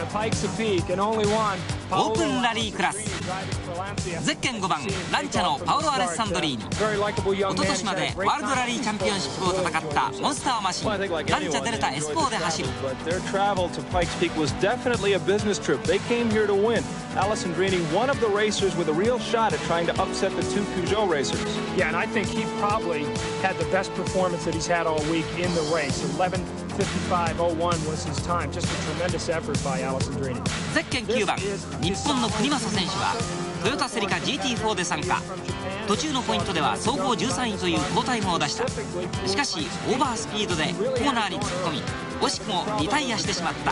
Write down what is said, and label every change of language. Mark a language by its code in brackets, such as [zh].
[ja] オープンラリークラス。ゼッケン5番、ランチャのパオロ・アレッサンドリーニ。一昨年までワールドラリーチャンピオンシップを戦ったモンスターマシン、ランチャデルタ S4 で走る。 [en] Their travel to Pikes Peak was definitely a business trip. They came here to win. Alison Drini, one of the racers with a real shot at trying to upset the two Peugeot racers. Yeah, and I think he probably had the best performance that he's had all week in the race. 11:55.01 was his time. Just a tremendous effort by Alison Drini. [ja] ゼッケン9番、日本の国政選手はトヨタセリカ GT4 で参加。途中のポイントでは総合13位という好タイムを出した。しかしオーバースピードでコーナーに突っ込み、惜しくもリタイアしてしまった。